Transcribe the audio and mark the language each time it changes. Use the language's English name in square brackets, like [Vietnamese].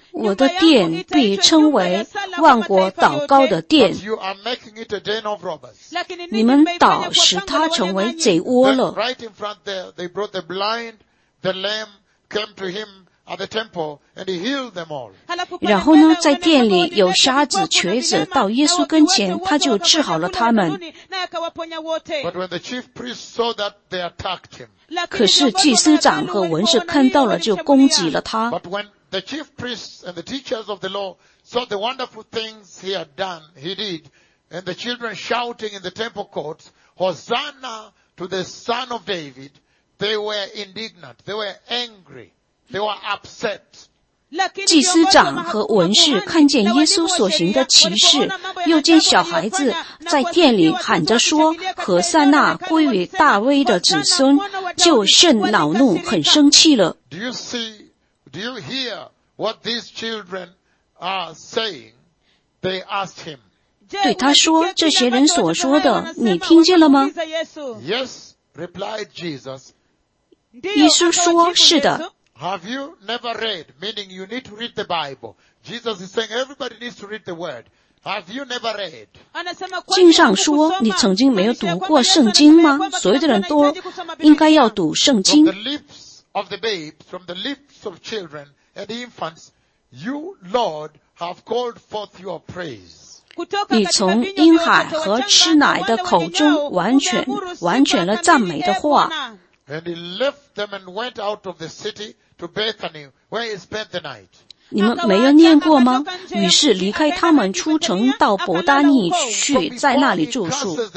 [Chinese] 我的殿被称为万国祷告的殿。 [English] But you are making it a den of robbers. [Chinese] 你们倒使它成为贼窝了。 [English] Right in front there, they brought the blind, the lame came to him at the temple, and he healed them all. [Chinese] 然后呢，在殿里有瞎子、瘸子到耶稣跟前，他就治好了他们。 [English] But when the chief priest saw that, they attacked him. [Chinese] 可是祭司长和文士看到了就攻击了他。 [English] The chief priests and the teachers of the law saw the wonderful things he had done, he did, and the children shouting in the temple courts, Hosanna to the Son of David. They were indignant. They were angry. They were upset. [Chinese] 祭司长和文士看见耶稣所行的奇事，又见小孩子在殿里喊着说：“何塞纳归于大卫的子孙”，就甚恼怒，很生气了。 [English] Do you see? Do you hear what these children are saying? They asked him. [Chinese] 对他说：“这些人所说的，你听见了吗？” [English] Yes, replied Jesus. [Chinese] 耶稣说：“是的。” [English] Have you never read, meaning you need to read the Bible? Jesus is saying everybody needs to read the word. Have you never read? [Chinese] 经上说，你曾经没有读过圣经吗？所有的人都应该要读圣经。 [English] From the lips of the babes, from the lips of children and infants, you, Lord, have called forth your praise. [Chinese] 你从婴孩和吃奶的口中完全了赞美的话。 [English] And he left them and went out of the city to Bethany, where he spent the night. [Chinese] 你们没有念过吗？于是离开他们出城到伯大尼去， 在那里住宿。